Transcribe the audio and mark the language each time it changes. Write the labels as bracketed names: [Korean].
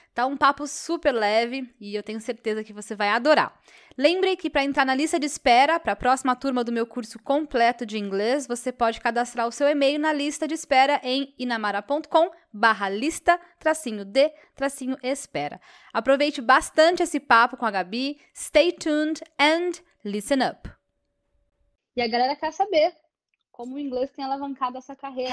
[Portuguese] Tá um papo super leve e eu tenho certeza que você vai adorar. Lembre que para entrar na lista de espera para a próxima turma do meu curso completo de inglês, você pode cadastrar o seu e-mail na lista de espera em inamara.com/lista-de-espera. Aproveite bastante esse papo com a Gabi. [English] Stay tuned and listen up. [Portuguese] E a galera quer saber como o inglês tem alavancado essa carreira.